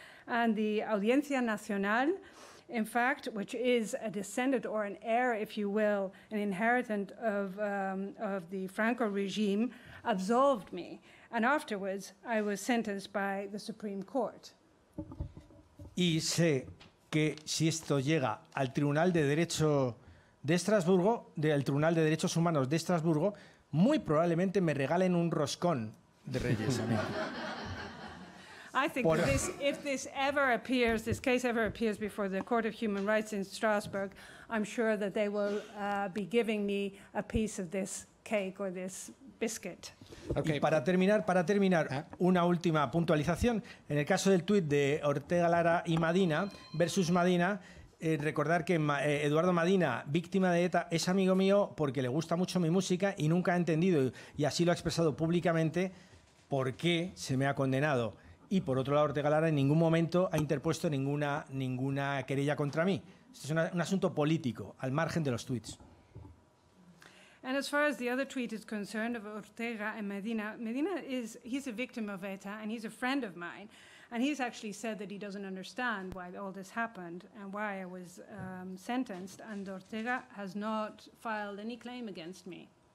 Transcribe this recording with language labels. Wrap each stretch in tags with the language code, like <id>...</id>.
<en>And the Audiencia Nacional, in fact, which is a descendant or an heir, if you will, an inheritant of the Franco regime, absolved me. And afterwards, I was sentenced by the Supreme Court.</en> <es>Y sé que si esto llega al Tribunal de Derecho de Estrasburgo, del Tribunal de Derechos Humanos de Estrasburgo, muy probablemente me regalen un roscón de Reyes.</es> <en>I think if this case ever appears before the Court of Human Rights in Strasbourg, I'm sure that they will be giving me a piece of this cake or this biscuit.</en> <es>Okay. Y para terminar, una última puntualización. En el caso del tuit de Ortega Lara y Madina versus Madina, recordar que Eduardo Madina, víctima de ETA, es amigo mío porque le gusta mucho mi música y nunca ha entendido, y así lo ha expresado públicamente, por qué se me ha condenado. Y por otro lado, Ortega Lara en ningún momento ha interpuesto ninguna querella contra mí. Este es un asunto político, al margen de los tweets.</es> <en>And as far as the other tweet is concerned of Ortega and Medina is, he's a victim of ETA and he's a friend of mine. And he's actually said that he doesn't understand why all this happened and why I was sentenced. And Ortega has not filed any claim against me.</en>